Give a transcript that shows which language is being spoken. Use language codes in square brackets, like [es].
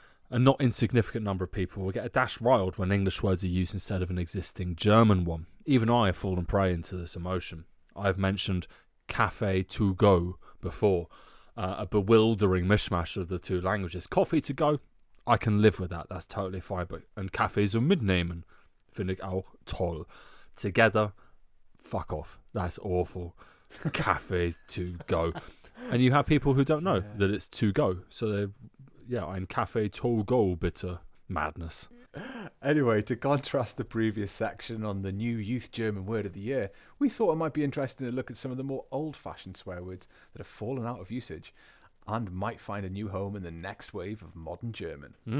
[en] A not insignificant number of people will get a dash riled when English words are used instead of an existing German one. Even I have fallen prey into this emotion. I have mentioned [fr] café [en] to go before, a bewildering mishmash of the two languages. Coffee to go, I can live with that, that's totally fine. But, and [de] café zum Mitnehmen, finde ich auch toll. [en] Together, fuck off, that's awful. [fr] Café [en] to go. And you have people who don't know that it's to go. So they're, I'm cafe to go, bitter madness. Anyway, to contrast the previous section on the new youth German word of the year, we thought it might be interesting to look at some of the more old-fashioned swear words that have fallen out of usage and might find a new home in the next wave of modern German.